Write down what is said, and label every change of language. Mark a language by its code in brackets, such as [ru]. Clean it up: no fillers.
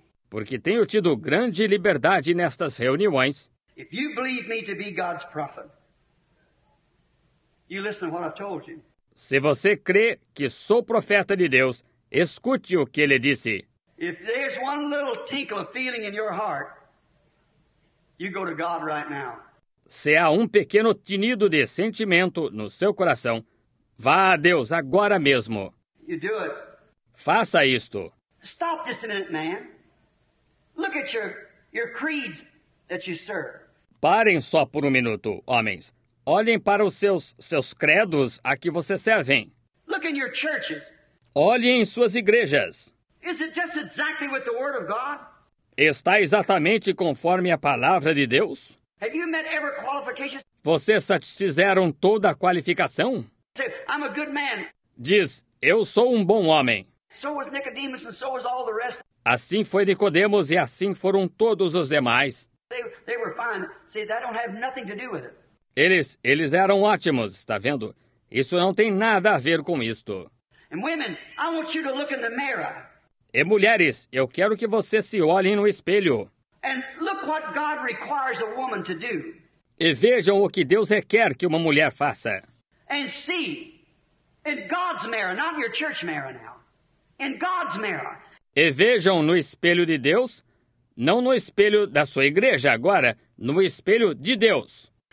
[pt] Porque tenho tido grande liberdade nestas reuniões. [en] If you believe me to be God's prophet, you listen to what I've told you. [pt] Se você crê que sou profeta de Deus, escute o que ele disse. [en] If there's one little tinkle of feeling in your heart, you go to God right now. [pt] Se há um pequeno tinido de sentimento no seu coração, vá a Deus agora mesmo. [en] You do it. [pt] Faça isto. [en] Stop just a minute, man. Look at your creeds. That you serve. [pt] Parem só por um minuto, homens. Olhem para os seus credos a que você servem. [en] Look in your churches. [pt] Olhem em suas igrejas. [en] Is it just exactly with the word of God? [pt] Está exatamente conforme a palavra de Deus? [en] Have you met every qualification? [pt] Vocês satisfizeram toda a qualificação? [en] I'm a good man. [pt] Diz, eu sou um bom homem. [en] So was Nicodemus and so was all the rest. [pt] Assim foi Nicodemos e assim foram todos os demais. [en] They were fine. See, that don't have nothing to do with it. [pt] Eles eram ótimos, está vendo? Isso não tem nada a ver com isto. [en] And women, I want you to look in the mirror. [pt] E mulheres, eu quero que vocês se olhem no espelho. [en] And look what God requires a woman to do. [pt] E vejam o que Deus requer que uma mulher faça. [en] And see, in God's mirror, not your church mirror now. In God's mirror. [pt] E vejam no espelho de Deus. Não no espelho da sua igreja agora, no espelho de Deus.